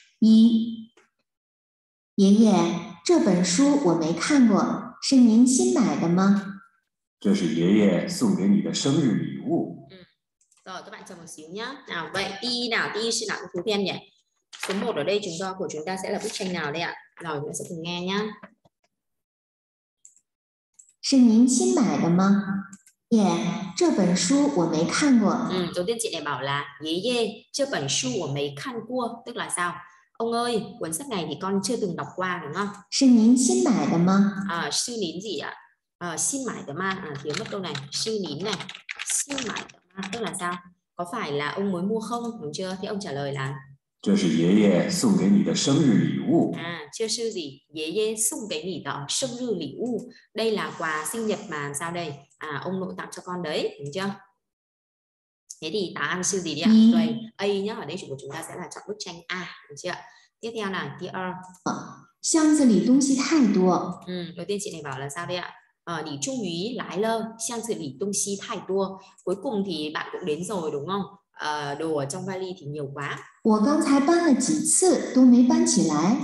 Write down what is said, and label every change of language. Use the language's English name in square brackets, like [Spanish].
[Chinese] 一，爷爷，这本书我没看过，是您新买的吗？这是爷爷送给你的生日礼物。嗯，好，各位等我一下。好，喂，第一呢？第一是哪个图片呢？ [Vietnamese] 题目ở đây chúng ta của chúng ta sẽ là bức tranh nào đây ạ? Rồi chúng ta sẽ cùng nghe nhé. [Chinese] 是您新买的吗? Yeah, 这本书我没看过。 [Vietnamese] Ừ, đầu tiên chị này bảo là [Chinese] 爷爷, 这本书我没看过, [Vietnamese] tức là sao? Ông ơi, cuốn sách này thì con chưa từng đọc qua đúng không? [Chinese] 是您新买的吗? À, 是您几啊?À, 新买的吗? [Vietnamese] À, thiếu mất câu này, [Chinese] 是您 [Vietnamese] này, [Chinese] 新买的吗? [Vietnamese] Tức là sao? Có phải là ông mới mua không? Đúng chưa? Thế ông trả lời là [Chinese] 这是爷爷送给你的生日礼物。 À, 这是gì? 爷爷送给你的生日礼物。 [Vietnamese] Đây là quà sinh nhật mà sao đây? À, ông nội tặng cho con đấy, đúng chưa? Thế thì tá ăn sư gì đi ạ? Đây, A nhá, ở đây chủ của chúng ta sẽ là chọn bức tranh A, đúng chưa? Tiếp theo là tí R. [Chinese] 箱子里东西太多。 [Vietnamese] Ừ, đầu tiên chị này bảo là sao đây ạ? [Chinese] À, 你终于来了,箱子里东西太多。 [Vietnamese] Cuối cùng thì bạn cũng đến rồi, đúng không? À, đồ ở trong vali thì nhiều quá. [Chinese] 我刚才搬了几次都没搬起来。